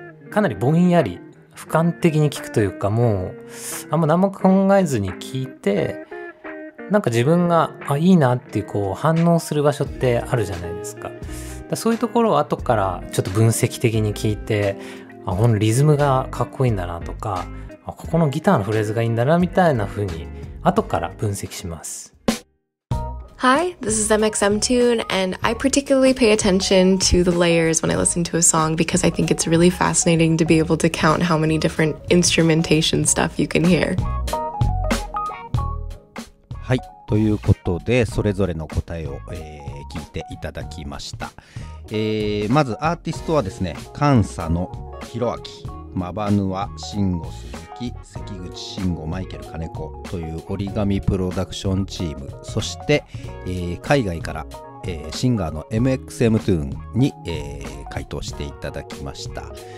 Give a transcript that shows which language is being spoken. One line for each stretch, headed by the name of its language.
Japanese: かなりぼんやり俯瞰的に聞くというか、もうあんま何も考えずに聞いて、なんか自分が、あ、いいなってこう反応する場所ってあるじゃないですか。だからそういうところを後からちょっと分析的に聞いて、あ、このリズムがかっこいいんだなとか、あ、ここのギターのフレーズがいいんだなみたいな風に後から分析します。
English: Hi, this is MXM Tune, and I particularly pay attention to the layers when I listen to a song because I think it's really fascinating to be able to count how many different instrumentation stuff you can hear.
Japanese: はい、ということでそれぞれの答えを、聞いていただきました。まずアーティストはですね、監査のひろあき、マバヌア、シンゴス、関口慎吾、マイケル金子という折り紙プロダクションチーム、そして、海外から、シンガーの MXM トゥーンに、回答していただきました。